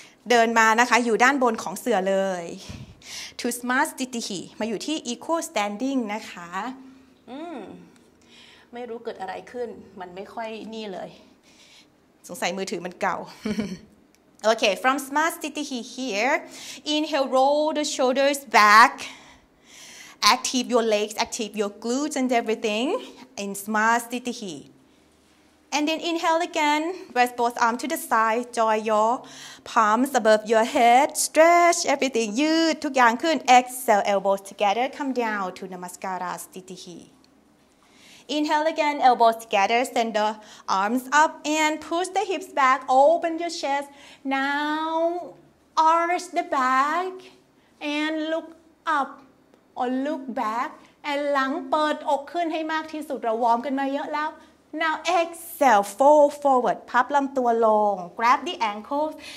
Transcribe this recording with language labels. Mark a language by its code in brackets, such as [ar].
[th] เดินมานะคะอยู่ด้านบนของเสือเลย [en] To smart stitihi. [th] มาอยู่ที่ equal standing นะคะไม่รู้เกิดอะไรขึ้นมันไม่ค่อยนี่เลยสงสัยมือถือมันเก่า [en] Okay, from smart stitihi here. Inhale, roll the shoulders back. Active your legs, active your glutes and everything in smart stitihi. And then inhale again, rest both arms to the side, join your palms above your head, stretch everything, [th] ยืดทุกอย่างขึ้น [en] exhale, elbows together, come down to namaskara stitihi. Inhale again, elbows together, send the arms up and push the hips back, open your chest. Now arch the back and look up.Or look back, [th] And หลังเปิดอกขึ้นให้มากที่สุดเราวอร์มกันมาเยอะแล้ว [en] Now exhale, fold forward. [th] พับลำตัวลง [en] Grab the ankles.